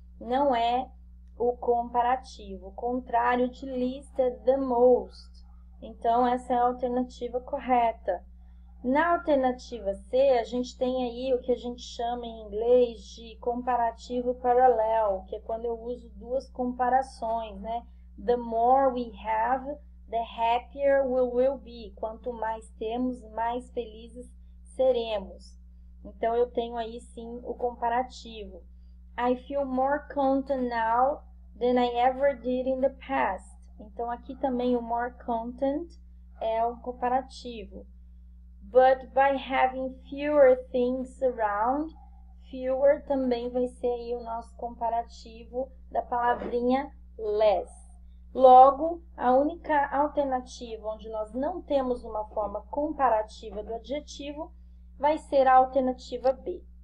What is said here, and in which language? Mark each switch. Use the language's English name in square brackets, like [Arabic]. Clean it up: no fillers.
[Portuguese] Não é o comparativo. O contrário de least é the most. Então, essa é a alternativa correta. Na alternativa C, a gente tem aí o que a gente chama em inglês de comparativo paralelo, que é quando eu uso duas comparações, né? [English] The more we have, the happier we will be. [Portuguese] Quanto mais temos, mais felizes seremos. Então, eu tenho aí sim o comparativo. [English] I feel more content now than I ever did in the past. [Portuguese] Então, aqui também o more content é o comparativo. [English] But by having fewer things around, [Portuguese] fewer também vai ser aí o nosso comparativo da palavrinha less. Logo, a única alternativa onde nós não temos uma forma comparativa do adjetivo vai ser a alternativa B.